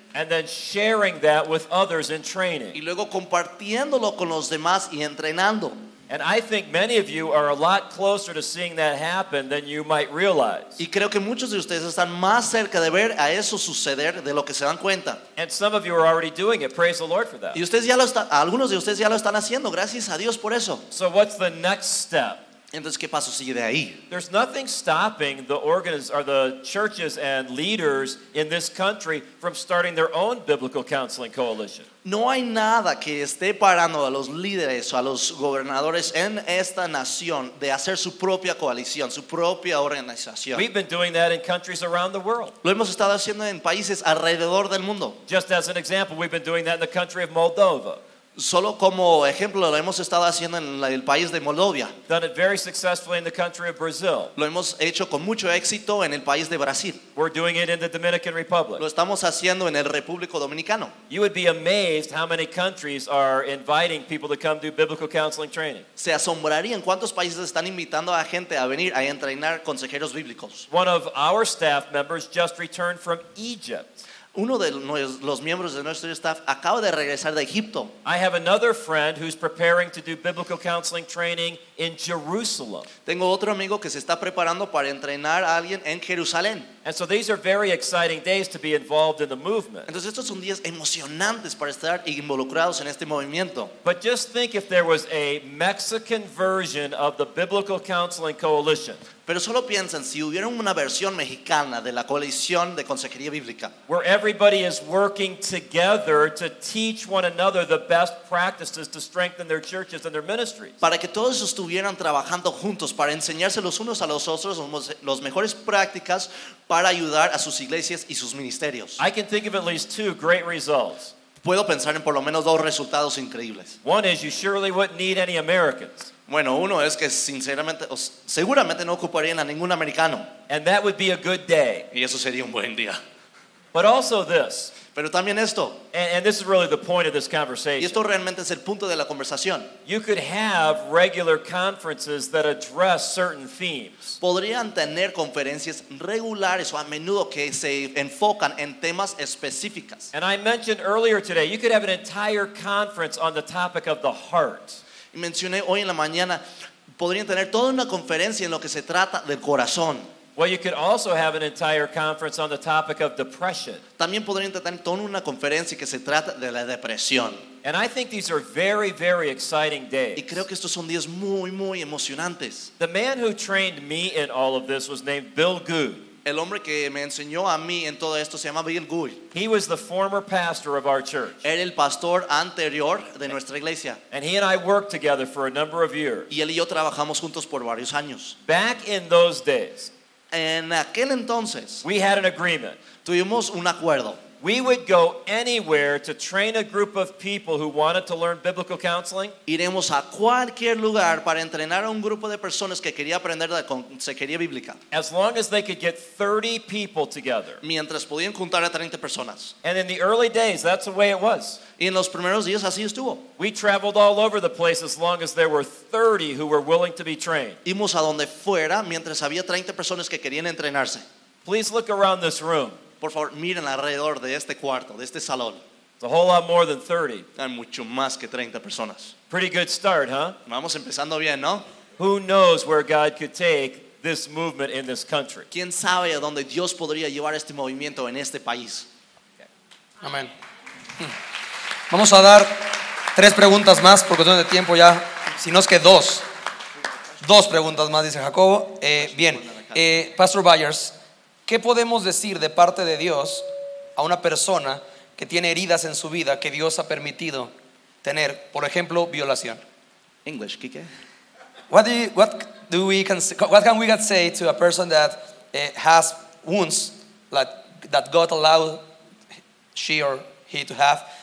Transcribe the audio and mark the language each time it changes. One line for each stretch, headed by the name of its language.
English: And then sharing that with others in training.
Spanish: Y luego compartiéndolo con los demás y entrenando.
English: And I think many of you are a lot closer to seeing that happen than you might realize.
Spanish: Y creo que muchos de ustedes están más cerca de ver a eso suceder de lo que se dan cuenta.
English: And some of you are already doing it. Praise the Lord for that.
Spanish: Y ustedes ya lo están, algunos de ustedes ya lo están haciendo. Gracias a Dios por eso.
English: So what's the next step?
Spanish: Entonces, ¿qué paso sigue de ahí?
English: There's nothing stopping the churches and leaders in this country from starting their own biblical counseling coalition.
Spanish: No hay nada que esté parando a los líderes o a los gobernadores en esta nación de hacer su propia coalición, su propia organización.
English: We've been doing that in countries around the world.
Spanish: Lo hemos estado haciendo en países alrededor del mundo.
English: Just as an example, we've been doing that in the country of Moldova.
Spanish: Solo como ejemplo, lo hemos estado haciendo en el país de Moldovia.
English: Done it very successfully in the country of Brazil.
Spanish: Lo hemos hecho con mucho éxito en el país de Brasil.
English: We're doing it in the Dominican Republic.
Spanish: Lo estamos haciendo en el República Dominicano.
English: You would be amazed how many countries are inviting people to come do biblical counseling training.
Spanish: Se asombrarían cuántos países están invitando a gente a venir a entrenar consejeros bíblicos.
English: One of our staff members just returned from Egypt.
Spanish: Uno de los miembros de nuestro staff acaba de regresar de Egipto.
English: I have another friend who's preparing to do biblical counseling training in Jerusalem.
Spanish: Tengo otro amigo que se está preparando para entrenar a alguien en Jerusalén.
English: And so these are very exciting days to be involved in the movement.
Spanish: Entonces estos son días emocionantes para estar involucrados en este movimiento.
English: But just think if there was a Mexican version of the Biblical Counseling Coalition.
Spanish: Pero solo piensan si hubiera una versión mexicana de la coalición de consejería bíblica.
English: Where everybody is working together to teach one another the best practices to strengthen their churches and their ministries.
Spanish: Para que todos estuvieran trabajando juntos para enseñarse los unos a los otros los mejores prácticas para ayudar a sus iglesias y sus ministerios.
English: I can think of at least two great results.
Spanish: Puedo pensar en por lo menos dos resultados increíbles.
English: One is you surely wouldn't need any Americans.
Spanish: Bueno, uno es que sinceramente, seguramente no ocuparían a ningún americano.
English: And that would be a good day.
Spanish: Y eso sería un buen día.
English: But also this.
Spanish: Pero también esto.
English: And this is really the point of this conversation.
Spanish: Y esto realmente es el punto de la conversación.
English: You could have regular conferences that address certain themes.
Spanish: Podrían tener conferencias regulares o a menudo que se enfocan en temas específicas.
English: And I mentioned earlier today, you could have an entire conference on the topic of the heart.
Spanish: Y mencioné hoy en la mañana, podrían tener toda una conferencia en lo que se trata del corazón.
English: Well, you could also have an entire conference on the topic of depression.
Spanish: También podrían tener toda una conferencia que se trata de la depresión.
English: And I think these are very, very exciting days.
Spanish: Y creo que estos son días muy, muy emocionantes.
English: The man who trained me in all of this was named Bill Good.
Spanish: El hombre que me enseñó a mí en todo esto se llama Bill Good.
English: He was the former pastor of our church.
Spanish: Era el pastor anterior de nuestra iglesia.
English: And he and I worked together for a number of years.
Spanish: Y él y yo trabajamos juntos por varios años.
English: Back in those days,
Spanish: en aquel entonces,
English: we had an agreement.
Spanish: Tuvimos un acuerdo.
English: We would go anywhere to train a group of people who wanted to learn biblical counseling.
Spanish: Iremos a cualquier lugar para entrenar a un grupo de personas que quería aprender de consejería bíblica.
English: As long as they could get 30 people together.
Spanish: Mientras podían juntar a 30 personas.
English: And in the early days, that's the way it was.
Spanish: Y en los primeros días así estuvo.
English: We traveled all over the place as long as there were 30 who were willing to be trained.
Spanish: Íbamos a donde fuera mientras había 30 personas que querían entrenarse.
English: Please look around this room.
Spanish: Por favor, miren alrededor de este cuarto, de este salón.
English: It's a whole lot more than 30.
Spanish: Hay mucho más que 30 personas.
English: Pretty good start, huh?
Spanish: Vamos empezando bien, ¿no?
English: Who knows where God could take this movement in this country?
Spanish: ¿Quién sabe a dónde Dios podría llevar este movimiento en este país? Okay. Amén. Vamos a dar tres preguntas más por cuestión de tiempo ya. Si no es que dos. Dos preguntas más, dice Jacobo. Bien, Pastor Byers, ¿qué podemos decir de parte de Dios a una persona que tiene heridas en su vida que Dios ha permitido tener, por ejemplo, violación?
English: English, Kike. What can we say to a person that has wounds like, that God allowed she or he to have?